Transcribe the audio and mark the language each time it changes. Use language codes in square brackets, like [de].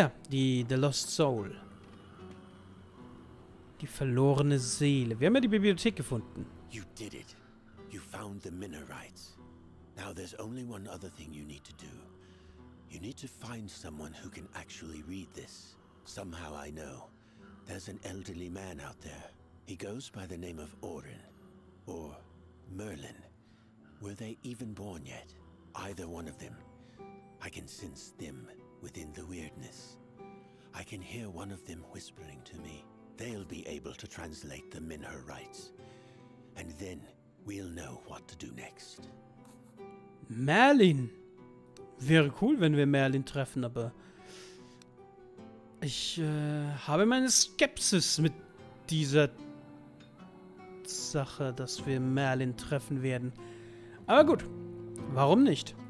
[en] The Lost Soul. [de] Die verlorene Seele. Wir haben ja die Bibliothek gefunden. [en] You did it. You found the Minorites. Now there's only one other thing you need to do. You need to find someone who can actually read this. Somehow I know. There's an elderly man out there. He goes by the name of Orin. Or Merlin. Were they even born yet? Either one of them. I can sense them within the weirdness. I can hear one of them whispering to me. They'll be able to translate the Minher rites. And then we'll know what to do next. Merlin! [de] Wäre cool, wenn wir Merlin treffen, aber... Ich habe meine Skepsis mit dieser... Sache, dass wir Merlin treffen werden. Aber gut, warum nicht?